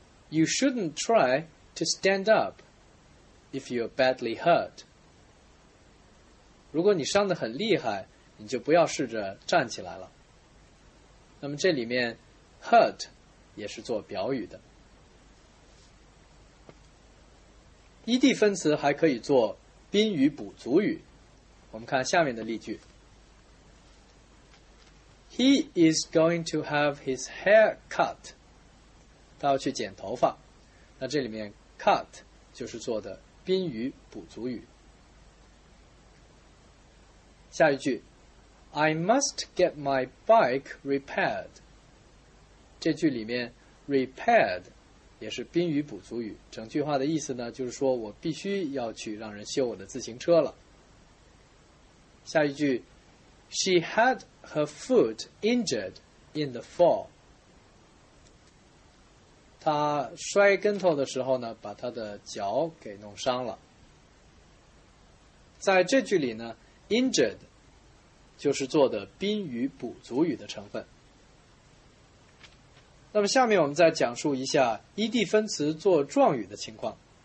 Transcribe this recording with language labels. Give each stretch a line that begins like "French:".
English: You shouldn't try to stand up if you're badly hurt.
Chinese: 如果你伤得很厉害，你就不要试着站起来了。那么这里面 hurt 也是做表语的。 ED 分词还可以做宾语补足语。我们看下面的例句。
English: He is going to have his hair cut.
Chinese: 他要去剪头发。那这里面 cut 就是做的宾语补足语。下一句
English: I must get my bike repaired.
Chinese: 这句里面 repaired 也是宾语补足语。整句话的意思呢，就是说我必须要去让人修我的自行车了。下一句
English: She had her foot injured in the fall.
Chinese: 她摔跟头的时候呢，把她的脚给弄伤了。在这句里呢 ，injured 就是做的宾语补足语的成分。那么下面我们再讲述一下 ED 分词做状语的情况。